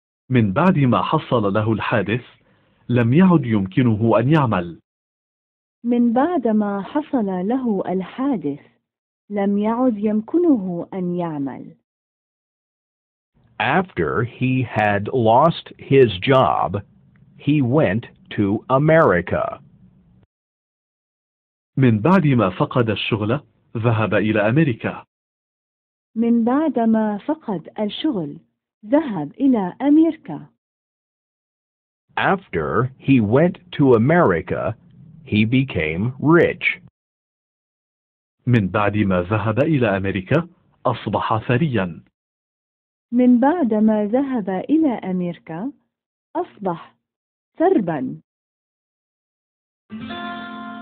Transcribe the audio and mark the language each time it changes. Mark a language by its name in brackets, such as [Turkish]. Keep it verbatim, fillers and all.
[Arabic] من بعد ما حصل له الحادث، لم يعد يمكنه أن يعمل. من بعد ما حصل له الحادث لم يعد يمكنه أن يعمل [English] After he had lost his job, he went to America. [Arabic] من بعد ما فقد الشغل، ذهب إلى أمريكا. من بعد ما فقد الشغل ذهب إلى أمريكا [English] After he went to America, he became rich. [Arabic] من بعد ما ذهب إلى أمريكا، أصبح ثريا. من بعد ما ذهب إلى أمريكا أصبح ثربا